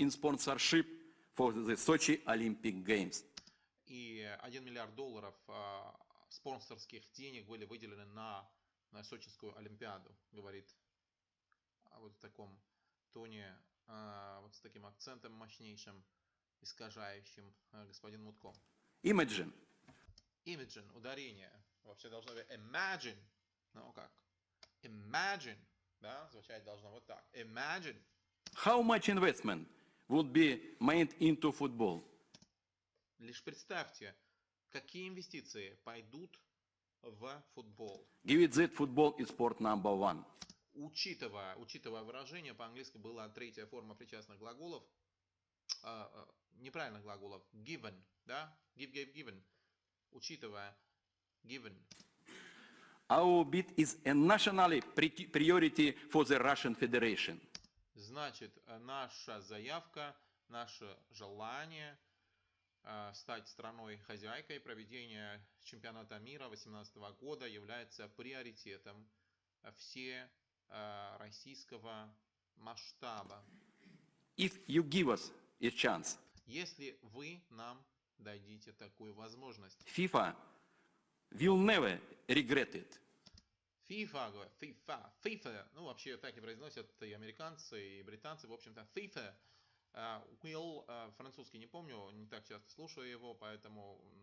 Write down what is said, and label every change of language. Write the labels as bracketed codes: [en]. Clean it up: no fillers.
[en] In sponsorship for the Sochi Olympic Games. [ru] И 1 миллиард долларов спонсорских денег были выделены на Сочинскую Олимпиаду, говорит вот в таком тоне, вот с таким акцентом мощнейшим, искажающим господин Мутко. [en] Imagine. [ru] imagine, ударение. Вообще должно быть imagine. Ну как? Imagine. Да, звучать должно вот так. [en] Imagine. How much investment would be made into football? [ru] Лишь представьте, какие инвестиции пойдут в футбол. [en] Give it that football is sport number one. [ru] Учитывая выражение, по-английски была третья форма причастных глаголов, неправильных глаголов, given, да? [en] Give, gave, given. [ru] Учитывая, given. [en] Our bid is a national priority for the Russian Federation. [ru] Значит, наша заявка, наше желание стать страной-хозяйкой проведения чемпионата мира 2018 года является приоритетом всероссийского масштаба. [en] If you give us a chance. [ru] Если вы нам дадите такую возможность. [en] FIFA will never regret it. [ru] FIFA, FIFA, FIFA, ну вообще так и произносят и американцы, и британцы, в общем-то, FIFA, will, французский не помню, не так часто слушаю его, поэтому,